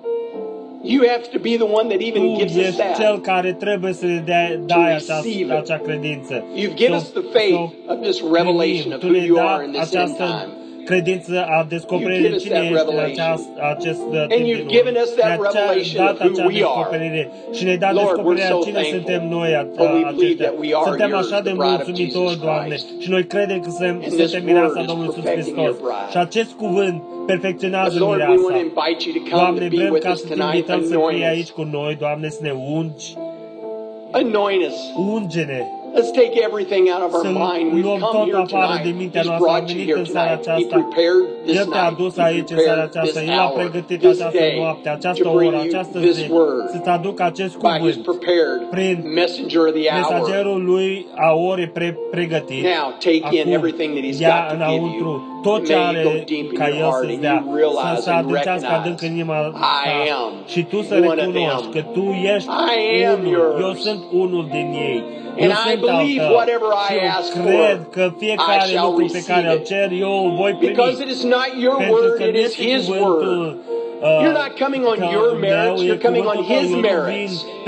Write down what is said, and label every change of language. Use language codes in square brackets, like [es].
[en] You have to be the one that even gives us that. [ro] Cel care trebuie să ne dai acea credință. [en] You've given us the faith of this revelation of who you are in this time. [ro] Credință a descoperirii cine ești în acest timp. [en] And you've given us that revelation. [ro] Și ne-ai dat descoperirea cine suntem noi aceștia. Suntem așa de mulțumitori, Doamne, și noi credem că suntem mireasa Domnului Iisus Hristos. Și acest cuvânt perfecționează mireasa. Doamne, vrem ca să te invităm să fii aici cu noi, Doamne, să ne ungi. [en] Anoint us. [ro] Unge-ne. [en] Let's take everything out of our mind. We've come here tonight. He's brought you here tonight. He prepared this night. He prepared this hour, this day, to bring you this word. By his prepared messenger of the hour. Now take in everything that he's got to give you. [ro] Tot ce are ca El să-ți dea, să se aducească adânc în inima ta și tu să recunoști că tu ești unul, eu sunt unul din ei. [en] And I believe whatever I ask for, I shall receive [ro] it. Cer, [en] because it is not your word, it is his word. You're not coming on your merits, you're coming on his merits.